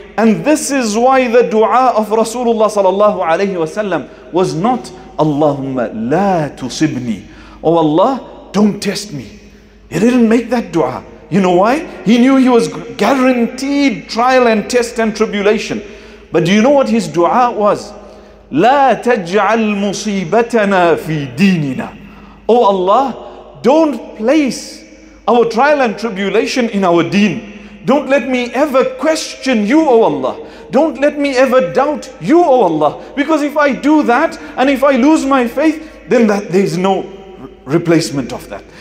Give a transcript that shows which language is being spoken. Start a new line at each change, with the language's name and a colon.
English: And this is why the dua of Rasulullah sallallahu alayhi wa sallam was not, Allahumma la tusibni. Oh Allah, don't test me. He didn't make that dua. You know why? He knew he was guaranteed trial and test and tribulation. But do you know what his dua was?
Arabic: لا تجعل مصيبتنا في ديننا.
English: Oh Allah, don't place our trial and tribulation in our deen. Don't let me ever question you, O Allah. Don't let me ever doubt you, O Allah. Because if I do that and if I lose my faith, then that there's no replacement of that.